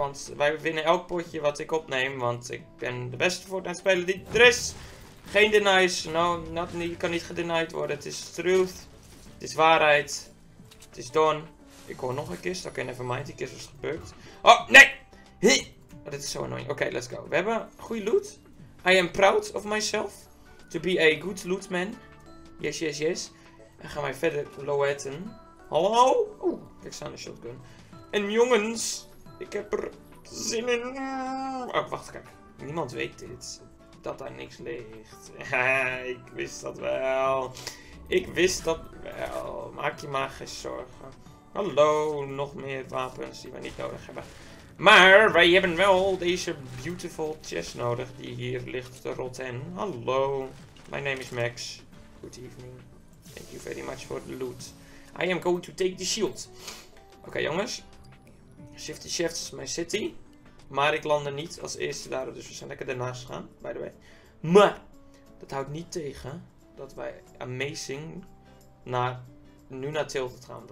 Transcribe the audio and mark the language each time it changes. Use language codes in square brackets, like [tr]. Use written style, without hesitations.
[nl] Want wij winnen elk potje wat ik opneem, want ik ben de beste Fortnite-speler die er is. Geen denies, [en] no, not, [nl] kan niet gedenied worden. Het is truth, het is waarheid, het is done. Ik hoor nog een kist, oké, nevermind, die kist was gebukt. Oh, nee! Oh, dit is zo annoying. Oké, [en] let's go. [nl] We hebben goede loot. [en] I am proud of myself to be a good loot man. Yes, yes, yes. [nl] En gaan wij verder loetten. Hallo? Oeh, ik sta aan de shotgun. En jongens, ik heb er zin in. Oh, wacht, kijk. Niemand weet dit. Dat daar niks ligt. Ik wist dat wel. Ik wist dat wel. Maak je maar geen zorgen. Hallo, nog meer wapens die wij niet nodig hebben. Maar wij hebben wel deze beautiful chest nodig die hier ligt te rotten. Hallo, mijn naam is Max. [en] Good evening. Thank you very much for the loot. I am going to take the shield. [nl] Oké, jongens. Shifty Shifts is mijn city. Maar ik landde niet als eerste daar. Dus we zijn lekker daarnaast gegaan, [en] by the way. [nl] Maar dat houdt niet tegen dat wij amazing naar nu naar Tilted gaan.